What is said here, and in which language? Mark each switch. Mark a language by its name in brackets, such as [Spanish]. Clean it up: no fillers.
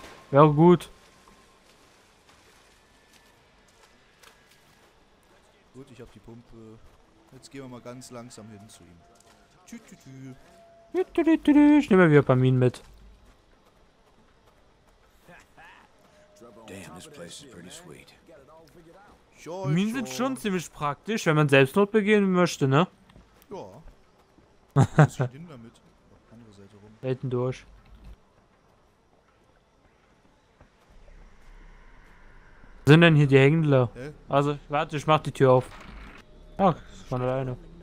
[German] Ja, gut. Gut, ich hab die Pumpe. Jetzt gehen wir mal ganz langsam hin zu ihm. Ich nehme wieder Pamin mit. [English] Damn, this place is pretty sweet. [German] Minen sind schon ziemlich praktisch, wenn man Selbstmord begehen möchte, ne? Ja. Damit. Andere Seite rum. Selten durch. Sind denn hier die Händler? Also, warte, ich mach die Tür auf. Ach, ist von alleine.